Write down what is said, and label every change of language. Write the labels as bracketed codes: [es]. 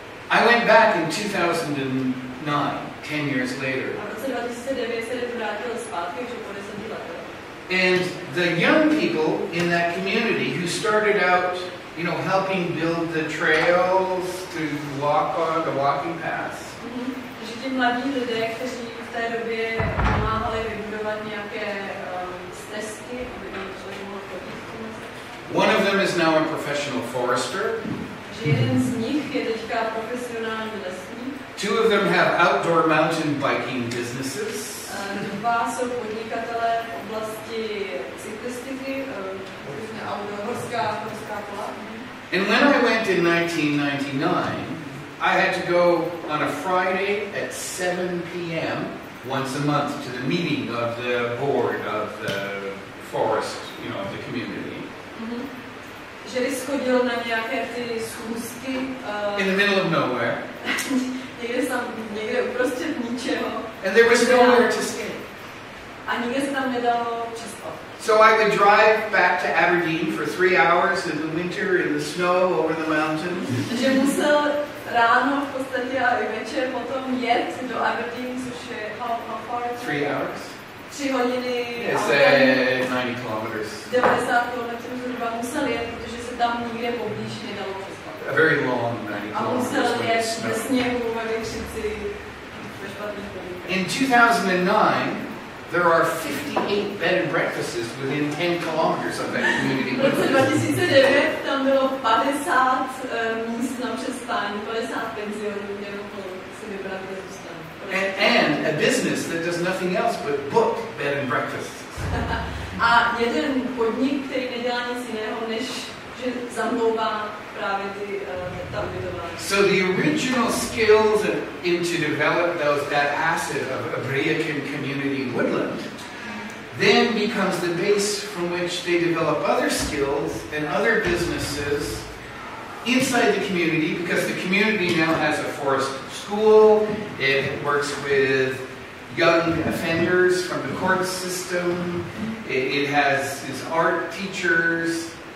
[en] I went back in 2009, 10 years later. [cs] A v roce 2009 se vrátil zpátky, že po 10 letech. [en] And the young people in that community who started out, you know, helping build the trails to walk on, the walking paths. [cs] Že ti mladí lidé, kteří v té době pomáhali vybudovat nějaké stezky, aby tam člověk mohl chodit. [en] One of them is now a professional forester. [cs] Že jeden z nich je teďka profesionální lesník. [en] Two of them have outdoor mountain biking businesses. [cs] Dva jsou podnikatelé v oblasti cyklistiky, horská kola. [en] And when I went in 1999, I had to go on a Friday at 7 p.m. once a month to the meeting of the board of the forest, you know, of the community. [cs] Že bys chodil na nějaké ty schůzky. [en] In the middle of nowhere. [cs] Někde tam, někde uprostřed ničeho. [en] And there was nowhere to stay. [cs] A nikde se tam nedalo přespat. [en] So I would drive back to Aberdeen for 3 hours in the winter in the snow over the mountain. [cs] Takže musel ráno v podstatě a i večer potom jet do Aberdeen, což je [en] how far? 3 hours. [cs] 3 hodiny. [en] It's 90 kilometers. [cs] 90 kilometrů zhruba musel jet, protože se tam nikde poblíž nedalo přespat. [en] A very long 90 kilometers. [cs] A musel jet ve sněhu ve špatných podmínkách. [en] In 2009, there are 58 bed and breakfasts within 10 kilometers of that community. [cs] V roce 2009 tam bylo 50 míst na přespání, 50 penzionů, nebo kolik si vybrali ze zůstanu. [en] And a business that does nothing else but book bed and breakfasts. [cs] A jeden podnik, který nedělá nic jiného, než že zamlouvá právě ty tam ubytování. [en] So the original skills into develop those that asset of Abrejakin community woodland then becomes the base from which they develop other skills and other businesses inside the community, because the community now has a forest school, it works with young offenders from the court system, it has its art teachers.